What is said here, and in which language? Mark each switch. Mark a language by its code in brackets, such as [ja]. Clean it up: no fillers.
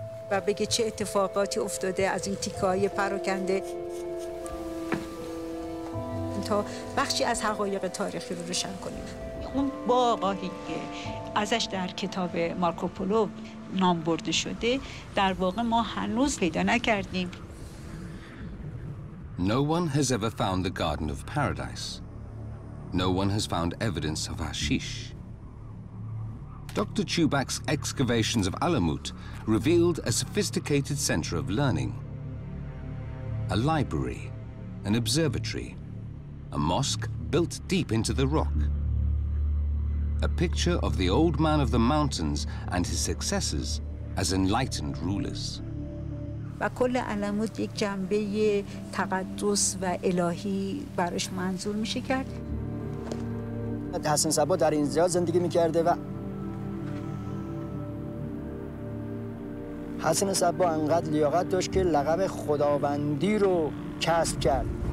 [fa] و بگه چه اتفاقاتی افتاده از این تیکه‌های پراکنده. تا بخشی از حقایق تاریخی رو روشن کنیم. اون باغی که ازش در کتاب مارکوپولو نام برده شده در واقع ما هنوز پیدا نکردیم. [en] No one has ever found the garden of paradise. No one has found evidence of hashish. Dr. Chubak's excavations of Alamut revealed a sophisticated center of learning. A library, an observatory, a mosque built deep into the rock. A picture of the old man of the mountains and his successors as enlightened rulers. [fa] و کل علموت یک جنبه تقدس و الهی براش منظور میشه کرد. حسن سبا در اینجا زندگی میکرده و حسن سبا انقدر لیاقت داشت که لقب خداوندی رو کسب کرد.